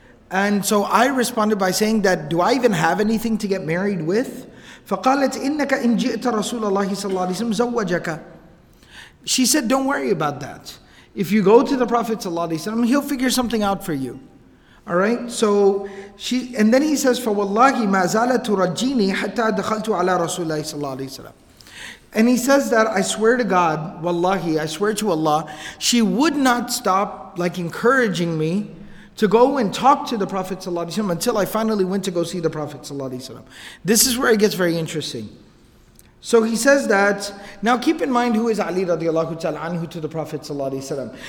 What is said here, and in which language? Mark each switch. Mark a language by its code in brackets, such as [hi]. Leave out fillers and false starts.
[en] And so I responded by saying that, do I even have anything to get married with? [ar] فَقَالَتْ إِنَّكَ إِنْ جِئْتَ رَسُولَ اللَّهِ صَلَّى اللَّهِ وَسَلَّمَ زَوَّجَكَ. [en] She said, don't worry about that. If you go to the Prophet sallallahu alaihi wasallam, he'll figure something out for you. All right. So she, and then he says, [ar] فَوَاللَّهِ مَا زَالَ تُرَجِّينِي حَتَّى دَخَلْتُ عَلَىٰ رَسُولَ اللَّهِ صَلَّى اللَّهِ وَسَلَّمَ. [en] And he says that, I swear to God, wallahi, I swear to Allah, she would not stop like encouraging me to go and talk to the Prophet sallallahu alaihi wasallam until I finally went to go see the Prophet sallallahu alaihi wasallam. This is where it gets very interesting. So he says that, now keep in mind, who is Ali radiallahu ta'ala anhu to the Prophet sallallahu alaihi wasallam?